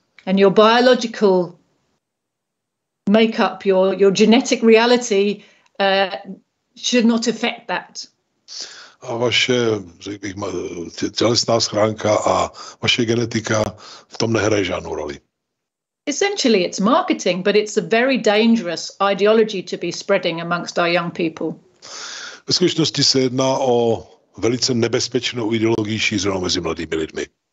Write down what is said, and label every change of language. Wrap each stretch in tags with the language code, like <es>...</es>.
<en>And your biological makeup, your genetic reality should not affect that.</en> <cs>A vaše, řekl bych, tělesná schránka a vaše genetika v tom nehraje žádnou roli.</cs> <en>Essentially it's marketing, but it's a very dangerous ideology to be spreading amongst our young people.</en> <cs>Ve skutečnosti se jedná o velice nebezpečnou ideologii šířenou mezi mladými lidmi.</cs>